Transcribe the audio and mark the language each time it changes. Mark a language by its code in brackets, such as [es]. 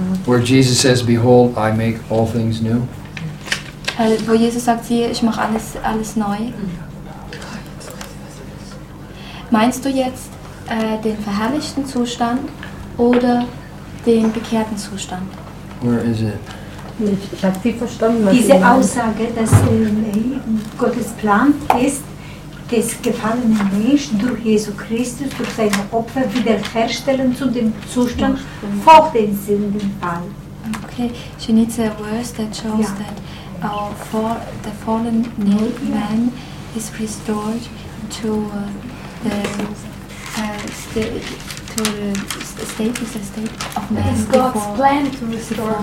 [en] where Jesus says, "Behold, I make all things new." [de] Wo Jesus sagt, siehe, ich mache alles neu. Meinst du jetzt den verherrlichten Zustand oder den bekehrten Zustand? [en] Where is it? [de] Ich habe viel verstanden. Diese Aussage, dass Gottes Plan ist, des gefallenen Menschen durch Jesus Christus, durch seine Opfer wiederherstellen zu dem Zustand vor dem Sündenfall. [en] Okay, she needs a verse that shows that the fallen man is restored to the state of man. It's God's plan to restore